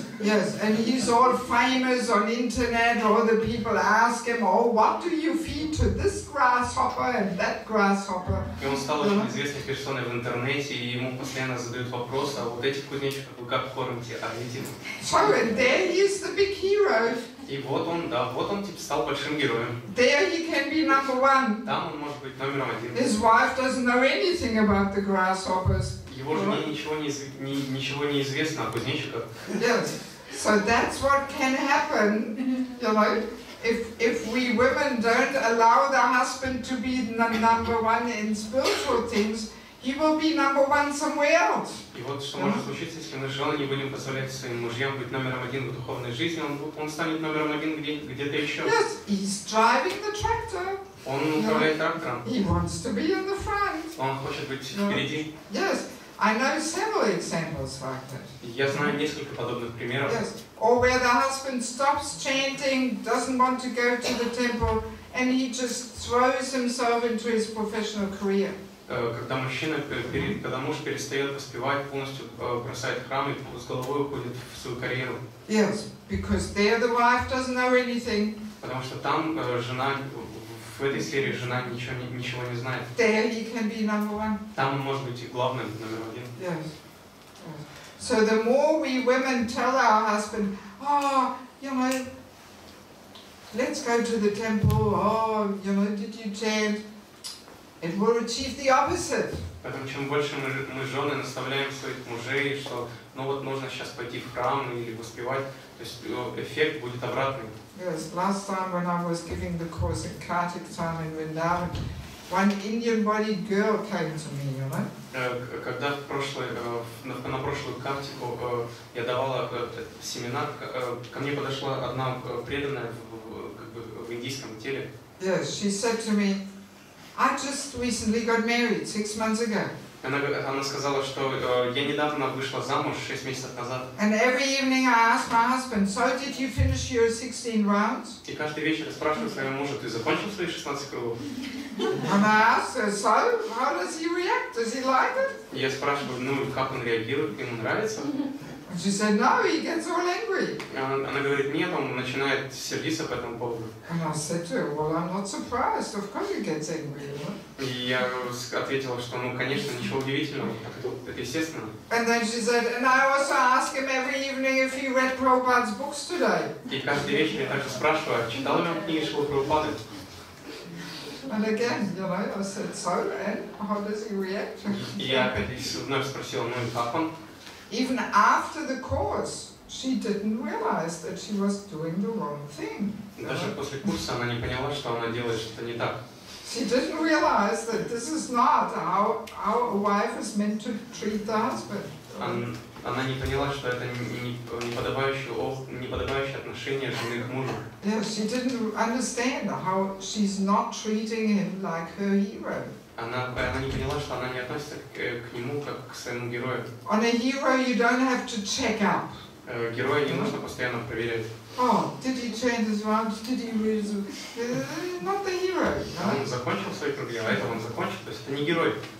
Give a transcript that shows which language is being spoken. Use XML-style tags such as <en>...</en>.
<en>Yes, yes, and he's all famous on internet. All the people ask him, "Oh, what do you feed to this grasshopper and that grasshopper?"</en> <ru>И он стал очень известной персоной в интернете, и ему постоянно задают вопрос, а вот этих кузнечиков вы как кормите, а эти?</ru> <en>So and there he is, the big hero.</en> <ru>И вот он, да, вот он типа стал большим героем.</ru> <en>There he can be number one.</en> <ru>Там он может быть номером один.</ru> <en>His wife doesn't know anything about the grasshoppers.</en> <ru>Его жене ничего не известно о кузнечиках.</ru> <en>Yes. So that's what can happen, you know, if we women don't allow the husband to be number one in spiritual things, he will be number one somewhere else.</en> <ru>И вот что может случиться, если мы жены не будем позволять своим мужьям быть номером один в духовной жизни, он станет номером один где-то еще.</ru> <en>Yes, he's driving the tractor.</en> <ru>Он управляет трактором.</ru> <en>He wants to be in the front.</en> <ru>Он хочет быть впереди.</ru> <en>Yes. I know several examples like that.</en> <ru>Я знаю несколько подобных примеров.</ru> <en>Yes. Or where the husband stops chanting, doesn't want to go to the temple, and he just throws himself into his professional career.</en> <ru>Когда мужчина, когда муж перестает воспевать, полностью бросает храм и с головой уходит в свою карьеру.</ru> <en>Yes, because there the wife doesn't know anything.</en> <ru>Потому что там жена. В этой сфере жена ничего не знает.</ru> <en>There he can be number one.</en> <ru>Там он может быть и главным, номер один.</ru> <en>Yes. Yes. So the more we women tell our husband, oh, you know, let's go to the temple, oh, you know, did you chant? It will achieve the opposite.</en> <ru>Поэтому чем больше мы жены наставляем своих мужей, что ну вот нужно сейчас пойти в храм или воспевать, то есть эффект будет обратный.</ru> <en>Yes, last time when I was giving the course at Kartik time in Vrindavan, one Indian-bodied girl came to me, you know?</en> <ru>Когда в прошлый, на прошлую кантику я давала семинар, ко мне подошла одна преданная в индийском теле.</ru> <en>Yes, she said to me, I just recently got married 6 months ago.</en> <ru>Она сказала, что я недавно вышла замуж 6 месяцев назад.</ru> <en>And every evening I ask my husband, so did you finish your 16 rounds?</en> <ru>И каждый вечер я спрашиваю своего мужа, ты закончил свои 16 кругов?</ru> <en>And I ask her, so how does he react? Does he like it?</en> <ru>Я спрашиваю, ну как он реагирует, ему нравится?</ru> <en>And she said, no, he gets all angry.</en> <ru>Она говорит, нет, он начинает сердиться по этому поводу.</ru> <en>And I said to her, well, I'm not surprised, of course he gets angry.</en> <ru>И я ответила, что, ну, конечно, ничего удивительного, это естественно.</ru> <en>And then she said, and I also ask him every evening if he read Prabhupada's books today.</en> <ru>И каждый вечер я также спрашиваю, читал ли он книги Шрилы Прабхупады?</ru> <en>And again, you know, I said, so, and how does he react?</en> <ru>И я опять вновь спросила, ну, и как он?</ru> <en>Even after the course, she didn't realize that she was doing the wrong thing.</en> <ru>Даже после курса она не поняла, что она делает что-то не так.</ru> <en>She didn't realize that this is not how a wife is meant to treat the husband.</en> <ru>Она не поняла, что это неподобающее отношение жены к мужу.</ru> <en>Yes, she didn't understand how she's not treating him like her hero.</en> <ru>Она не поняла, что она не относится к нему как к своему герою.</ru> <en>On a hero you don't have to check up.</en> <ru>Героя не нужно постоянно проверять.</ru> <en>Oh, did he change his rounds? Did he lose? Not the hero.</en> <ru>Он закончил свои круги, а это он закончил, то есть это не герой.</ru>